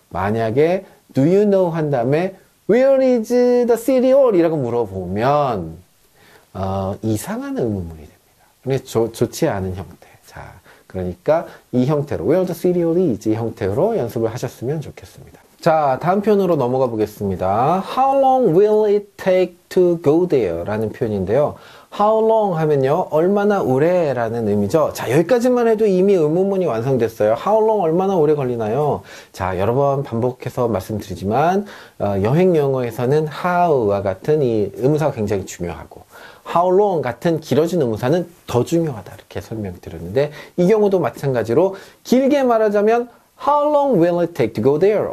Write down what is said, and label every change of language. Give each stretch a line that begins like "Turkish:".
Korean: 만약에
English: do you know
Korean: 한 다음에
English: Where is the city hall?
Korean: 이라고 물어보면 이상한 의문문이 됩니다. 근데 좋지 않은 형태. 자, 그러니까 이 형태로
English: where the city hall is
Korean: 이 형태로 연습을 하셨으면 좋겠습니다. 자, 다음 표현으로 넘어가 보겠습니다.
English: How long will it take to go there?
Korean: 라는 표현인데요.
English: How long
Korean: 하면요, 얼마나 오래 라는 의미죠. 자, 여기까지만 해도 이미 의문문이 완성됐어요.
English: How long, 얼마나 오래 걸리나요? 자, 여러 번 반복해서 말씀드리지만 여행 영어에서는 how와 같은 이 의문사가 굉장히 중요하고 How long 같은 길어진 의문사는 더 중요하다 이렇게 설명드렸는데 이 경우도 마찬가지로 길게 말하자면 How long will it take to go there?